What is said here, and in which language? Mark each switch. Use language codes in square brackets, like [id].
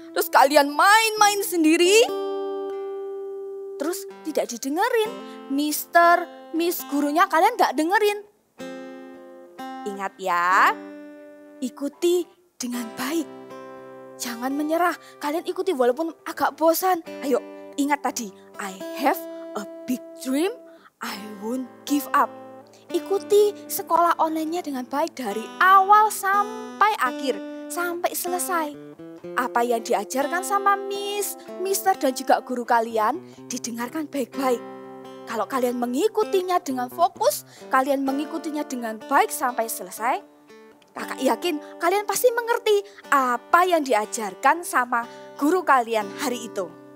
[id] Terus kalian main-main sendiri. Terus tidak didengerin. Mister, miss gurunya kalian gak dengerin. Ingat ya, ikuti dengan baik. Jangan menyerah, kalian ikuti walaupun agak bosan. Ayo, ingat tadi, [en] I have a big dream, I won't give up. [id] Ikuti sekolah online-nya dengan baik dari awal sampai akhir, sampai selesai. Apa yang diajarkan sama Miss, Mister dan juga guru kalian, didengarkan baik-baik. Kalau kalian mengikutinya dengan fokus, kalian mengikutinya dengan baik sampai selesai, Kakak yakin kalian pasti mengerti apa yang diajarkan sama guru kalian hari itu.